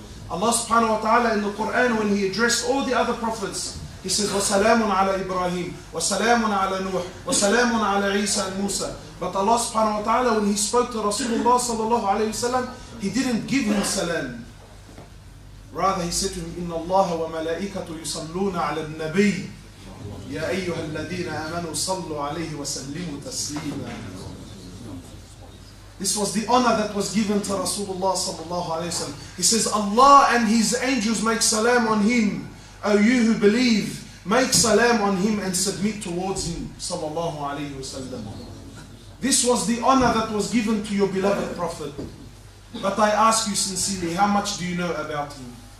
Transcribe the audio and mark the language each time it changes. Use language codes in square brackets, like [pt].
[en] Allah subhanahu wa ta'ala in the Quran, when he addressed all the other prophets, he says, [ar] وَسَلَامٌ عَلَى إِبْرَاهِيمُ وَسَلَامٌ عَلَى نُوحٌ وَسَلَامٌ عَلَى عِيسَى الْمُوسَى. [en] But Allah subhanahu wa ta'ala, when he spoke to Rasulullah sallallahu alayhi wa sallam, he didn't give him salam. Rather, he said to him, [ar] إِنَّ اللَّهَ وَمَلَائِكَةُ يُصَلُّونَ عَلَى النَّبِيِّ يَا أَيُّهَا الَّذِينَ آمَنُوا صَلُّوا عَلَيْهِ وَسَلِّمُوا تَسْلِيمًا. [en] This was the honor that was given to Rasulullah sallallahu alayhi wa sallam. He says, Allah and his angels make salam on him. O you who believe, make salam on him and submit towards him sallallahu alayhi wa sallam. This was the honor that was given to your beloved prophet. But I ask you sincerely, how much do you know about him?